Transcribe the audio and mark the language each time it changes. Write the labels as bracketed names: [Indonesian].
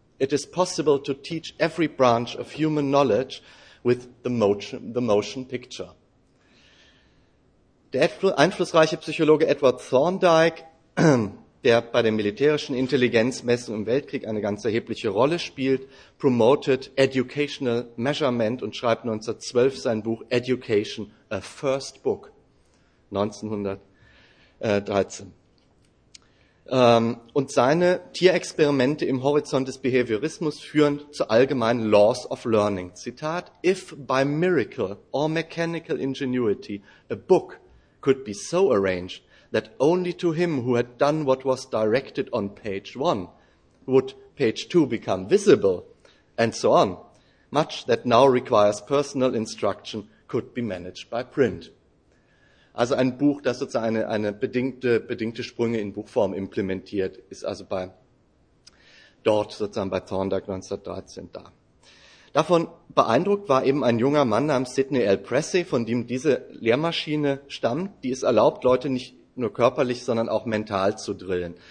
[English] It is possible to teach every branch of human knowledge with the motion picture." [German] Der einflussreiche Psychologe Edward Thorndike, der bei der militärischen Intelligenzmessung im Weltkrieg eine ganz erhebliche Rolle spielt, [English] promoted educational measurement [German] und schreibt 1912 sein Buch Education, a First Book. 1900, 13. Und seine Tierexperimente im Horizont des Behaviorismus führen zu allgemeinen Laws of Learning. [English] Zitat, if by miracle or mechanical ingenuity a book could be so arranged that only to him who had done what was directed on page one would page two become visible, and so on, much that now requires personal instruction could be managed by print. [German] Also ein Buch, das sozusagen eine bedingte Sprünge in Buchform implementiert, ist also bei Thorndike 1913 da. Davon beeindruckt war eben ein junger Mann namens Sidney L. Pressey, von dem diese Lehrmaschine stammt, die es erlaubt, Leute nicht nur körperlich, sondern auch mental zu drillen.